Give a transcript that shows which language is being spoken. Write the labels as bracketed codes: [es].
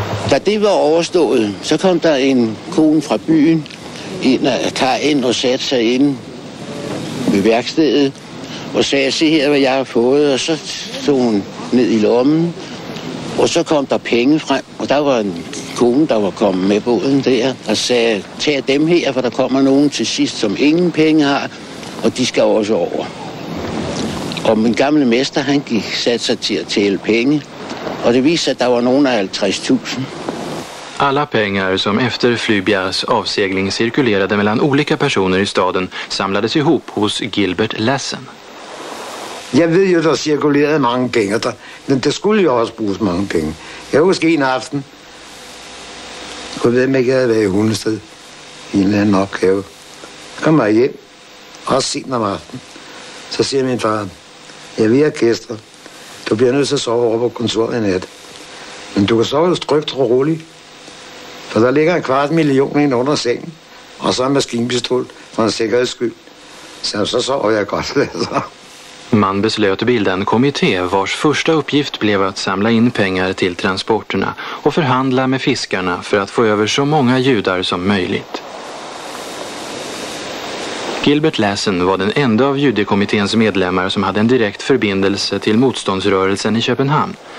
[sv] När det var överstått så kom där en kon från byn in och satte sig in vid verkstedet och sa, se här vad jag har fått, och så tog hon ned i lommen. [da] Och så kom der penge frem, og der var en kone, der var kommet med båden der, og sagde, tag dem her, for der kommer nogen til sidst, som ingen penge har, og de skal også over. Og min gamle mester, han gik sat sig til at tælle penge, og det viste sig, at der var nogen af 50.000. [sv] Alla pengar som efter Flybias avsegling cirkulerade mellan olika personer i staden samlades ihop hos Gilbert Lassen. [da] Jeg ved jo, der cirkulerede mange penge, og der skulle jo også bruges mange penge. Jeg husker en aften, jeg ved ikke, jeg havde været i Hundested, i en eller anden opgave. Så kom jeg hjem, også sent om aften, så siger min far, jeg vil have gæster, du bliver nødt til at sove over på kontoret i nat. Men du kan sove trygt og roligt, for der ligger 250.000 ind under sengen, og så en maskinpistol for en sikkerheds skyld. Så sover jeg godt, altså. [sv] Man beslöt bilda en kommitté vars första uppgift blev att samla in pengar till transporterna och förhandla med fiskarna för att få över så många judar som möjligt. Gilbert Lassen var den enda av judekommitténs medlemmar som hade en direkt förbindelse till motståndsrörelsen i Köpenhamn.